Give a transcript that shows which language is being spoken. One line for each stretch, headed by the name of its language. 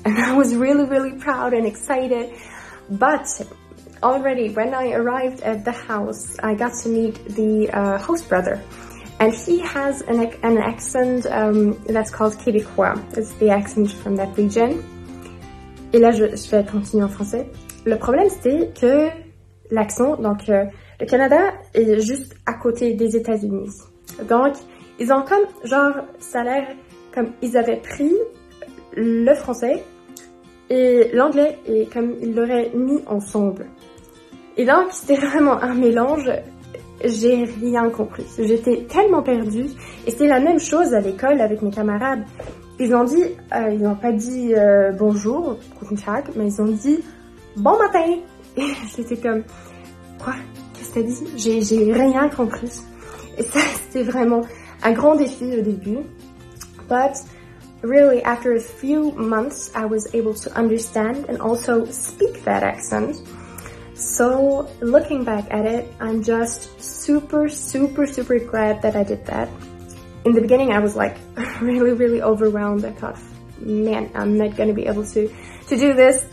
English: And I was really, really proud and excited. But already when I arrived at the house, I got to meet the host brother. And he has an accent that's called Québécois. It's the accent from that region.
French: Et là, je vais continuer en français. Le problème, c'était que l'accent, donc le Canada est juste à côté des États-Unis. Donc, ils ont comme, genre, ça a l'air comme ils avaient pris le français et l'anglais et comme ils l'auraient mis ensemble. Et donc, c'était vraiment un mélange. J'ai rien compris. J'étais tellement perdue. Et c'est la même chose à l'école avec mes camarades. Ils n'ont pas dit bonjour,
German: guten Tag,
French: mais ils ont dit bon matin. Et j'étais comme, quoi? Qu'est-ce que t'as dit? J'ai rien compris. Et ça, c'était vraiment un grand défi au début.
English: But really, after a few months, I was able to understand and also speak that accent. So, looking back at it, I'm just super, super, super glad that I did that. In the beginning, I was like really, really overwhelmed. I thought, man, I'm not going to be able to do this.